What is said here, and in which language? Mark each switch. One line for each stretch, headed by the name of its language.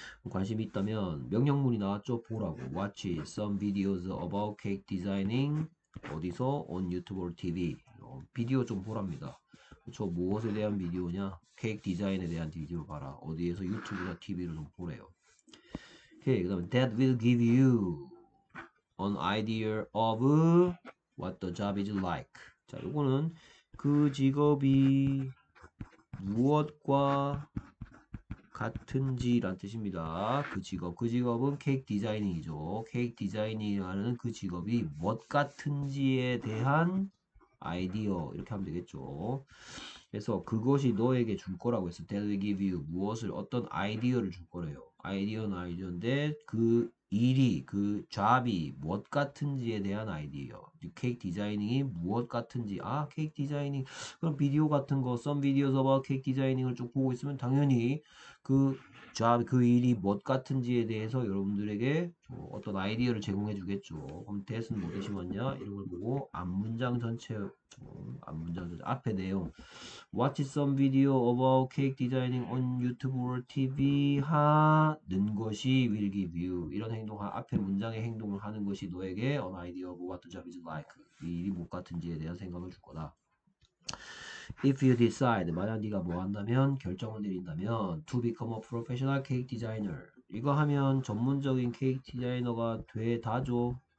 Korean: 관심 있다면 명령문이 나왔죠. 보라고.
English: Watch some videos about cake designing
Korean: 어디서?
English: On YouTube or TV.
Korean: 비디오 좀 보랍니다. 저 무엇에 대한 비디오냐? 케이크 디자인에 대한 비디오 봐라. 어디에서? 유튜브나 TV로 좀 보래요. 오케이. 그다음
English: That will give you an idea of what the job is like.
Korean: 자, 요거는 그 직업이 무엇과 같은지란 뜻입니다. 그 직업은 케이크 디자이닝이죠. 케이크 디자이닝이라는 그 직업이 무엇 같은지에 대한 아이디어 이렇게 하면 되겠죠. 그래서 그것이 너에게 줄 거라고 해서
English: That will give you
Korean: 무엇을 어떤 아이디어를 줄 거래요. 아이디어는 아이디어인데 그 일이 그 잡이 무엇 같은지에 대한 아이디어. 케이크 디자이닝이 무엇 같은지. 아, 케이크 디자이닝. 그럼 비디오 같은 거,
English: some videos about
Korean: 케이크 디자이닝을 쭉 보고 있으면 당연히 그 일이 뭣 같은지에 대해서 여러분들에게 어떤 아이디어를 제공해 주겠죠. 그럼 대신 무엇이 맞냐? 이런 걸 보고 앞 문장 전체 앞에 내용.
English: Watch some video about cake designing on YouTube or TV
Korean: 하는 것이
English: will give you.
Korean: 이런 행동, 앞에 문장의 행동을 하는 것이 너에게
English: an idea of what the job is like.
Korean: 이 일이 뭣 같은지에 대한 생각을 줄 거다.
English: If you decide,
Korean: 만약 네가 뭐 한다면, 결정을 내린다면,
English: to become a professional cake designer.
Korean: 이거 하면 전문적인 케이크 디자이너가 되다죠.